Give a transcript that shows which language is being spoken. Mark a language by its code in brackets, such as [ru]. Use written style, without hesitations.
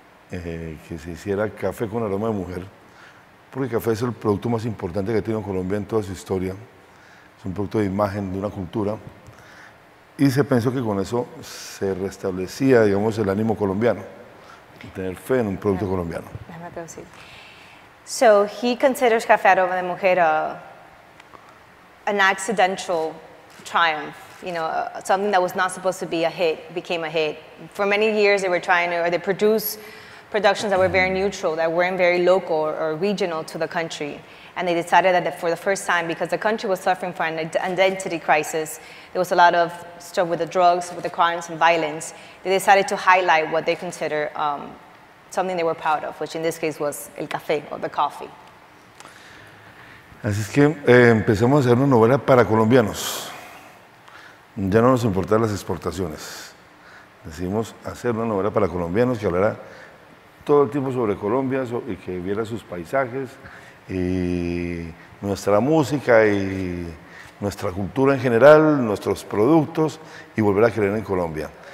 [es] que se hiciera café con aroma de mujer, porque café es el producto más importante que ha tenido Colombia en toda su historia, es un producto de imagen, de una cultura, y se pensó que con eso se restablecía, digamos, el ánimo colombiano, tener fe en un producto colombiano. [en] So he considers Café Aroma de Mujer an accidental triumph, you know, something that was not supposed to be a hit, became a hit. For many years they were trying to, or they produced productions that were very neutral, that weren't very local or regional to the country. And they decided that for the first time, because the country was suffering from an identity crisis, there was a lot of stuff with the drugs, with the crimes and violence, they decided to highlight what they consider something they were proud of, which in this case was [es] el café, [en] or the coffee. [es] Así es que empezamos a hacer una novela para colombianos. Ya no nos importaban las exportaciones. Decidimos hacer una novela para colombianos que hablara todo el tiempo sobre Colombia y que viera sus paisajes y nuestra música y nuestra cultura en general, nuestros productos y volver a creer en Colombia.